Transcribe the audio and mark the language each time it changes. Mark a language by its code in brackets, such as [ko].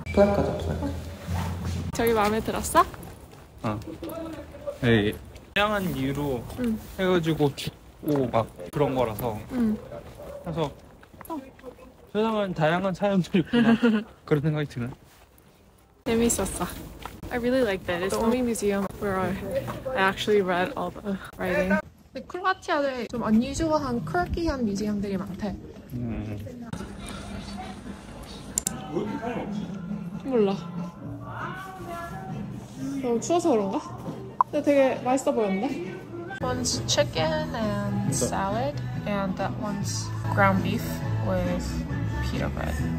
[ko] 플라크 가자, 플라크. 저기 마음에 들었어? 어. 다양한 이유로 헤어지고 죽고 막 그런 거라서. 그래서 세상은 다양한 사연들이 있구나. 그런 생각이 드는. 재밌었어. [en] I really like that. It's the only museum where I actually read all the writing. [ko] 근데 크로아티아에 좀 unusual한, quirky한 museum들이 많대. 몰라. 너무 추워서 그런가? 근데 되게 맛있어 보였는데? [en] one's chicken and salad, and that one's ground beef with pita bread.